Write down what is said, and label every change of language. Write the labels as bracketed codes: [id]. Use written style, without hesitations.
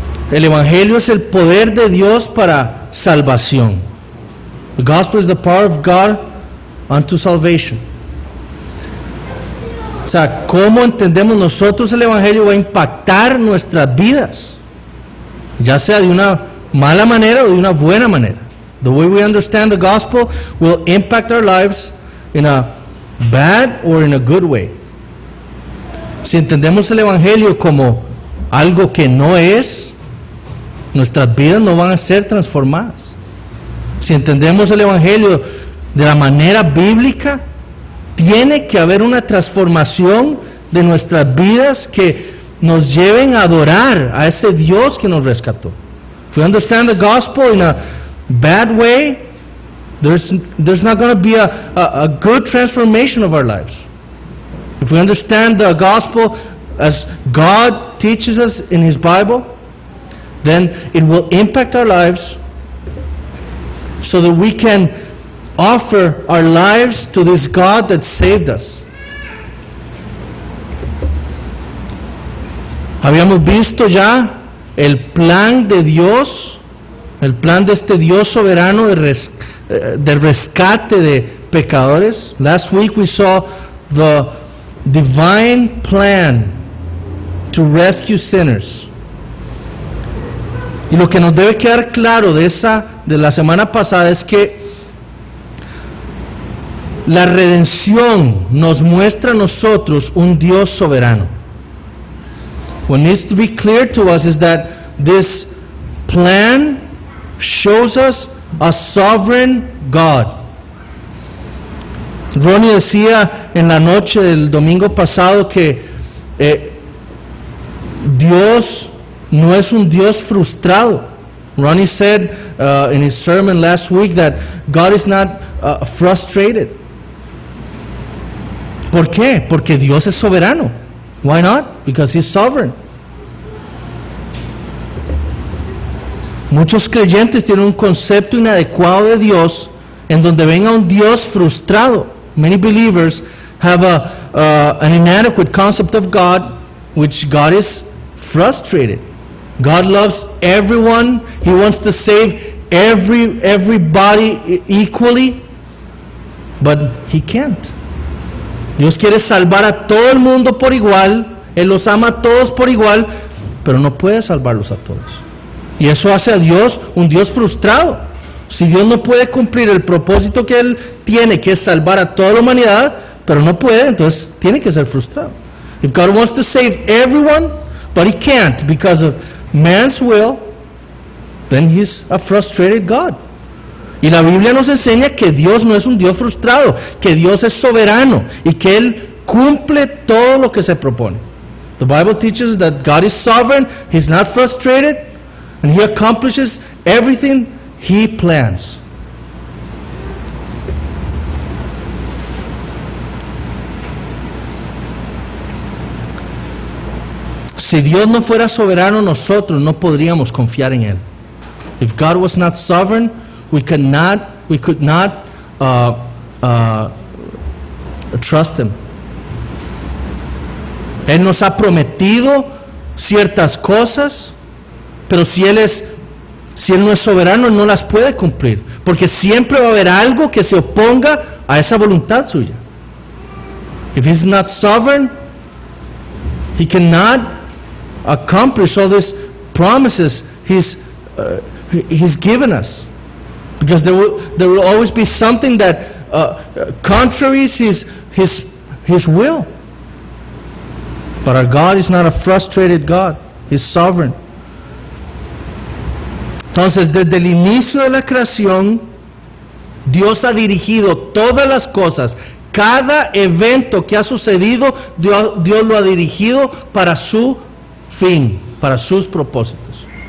[es] El Evangelio es el poder de Dios para salvación. [en] The Gospel is the power of God unto salvation. [es] O sea, cómo entendemos nosotros el Evangelio va a impactar nuestras vidas, ya sea de una mala manera o de una buena manera. [en] The way we understand the gospel will impact our lives in a bad or in a good way. [es] Si entendemos el Evangelio como algo que no es, nuestras vidas no van a ser transformadas. Si entendemos el Evangelio de la manera bíblica, tiene que haber una transformación de nuestras vidas que nos lleven a adorar a ese Dios que nos rescató. [en] If we understand the gospel in a bad way, there's not going to be a good transformation of our lives. If we understand the gospel as God teaches us in His Bible, then it will impact our lives so that we can offer our lives to this God that saved us. [es] Habíamos visto ya el plan de Dios, el plan de este Dios soberano de rescate de pecadores. [en] Last week we saw the divine plan to rescue sinners. [es] Y lo que nos debe quedar claro de la semana pasada es que la redención nos muestra a nosotros un Dios soberano. [en] What needs to be clear to us is that this plan shows us a sovereign God. [es] Ronnie decía en la noche del domingo pasado que Dios no es un Dios frustrado. [en] Ronnie said in his sermon last week that God is not frustrated. [es] ¿Por qué? Porque Dios es soberano. [en] Why not? Because He's sovereign. [es] Muchos creyentes tienen un concepto inadecuado de Dios en donde ven a un Dios frustrado. [en] Many believers have an inadequate concept of God, which God is frustrated. God loves everyone. He wants to save everybody equally, but He can't. [es] Dios quiere salvar a todo el mundo por igual, Él los ama a todos por igual, pero no puede salvarlos a todos. Y eso hace a Dios un Dios frustrado. Si Dios no puede cumplir el propósito que Él tiene, que es salvar a toda la humanidad, pero no puede, entonces tiene que ser frustrado. [en] If God wants to save everyone, but He can't because of man's will, then He's a frustrated God. [es] Y la Biblia nos enseña que Dios no es un Dios frustrado, que Dios es soberano y que Él cumple todo lo que se propone. [en] The Bible teaches that God is sovereign, He's not frustrated, and He accomplishes everything He plans. [es] Si Dios no fuera soberano, nosotros no podríamos confiar en Él. [en] If God was not sovereign, We could not trust Him. [es] Él nos ha prometido ciertas cosas, pero si él no es soberano, no las puede cumplir, porque siempre va a haber algo que se oponga a esa voluntad suya. [en] If He's not sovereign, He cannot accomplish all these promises He's given us. Because there will always be something that contraries his will. But our God is not a frustrated God. He's sovereign. [es] Entonces, desde el inicio de la creación, Dios ha dirigido todas las cosas. Cada evento que ha sucedido, Dios lo ha dirigido para su fin, para sus propósitos.